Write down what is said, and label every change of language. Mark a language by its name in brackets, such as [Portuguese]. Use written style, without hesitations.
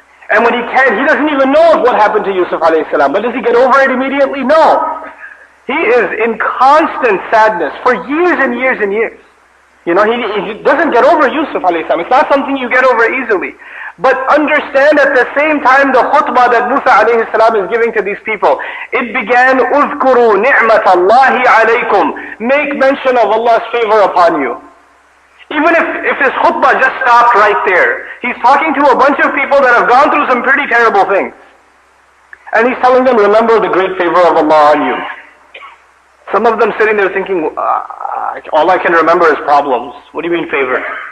[English] And when he doesn't even know of what happened to Yusuf alayhi salam. But does he get over it immediately? No. He is in constant sadness for years and years and years. You know, he doesn't get over Yusuf alayhi salam. It's not something you get over easily. But understand at the same time the khutbah that Musa alayhi salam is giving to these people. It began, [Arabic] اذكروا نعمة الله عليكم. [English] Make mention of Allah's favor upon you. Even if his khutbah just stopped right there, he's talking to a bunch of people that have gone through some pretty terrible things. And he's telling them, remember the great favor of Allah on you. Some of them sitting there thinking, all I can remember is problems. What do you mean favor?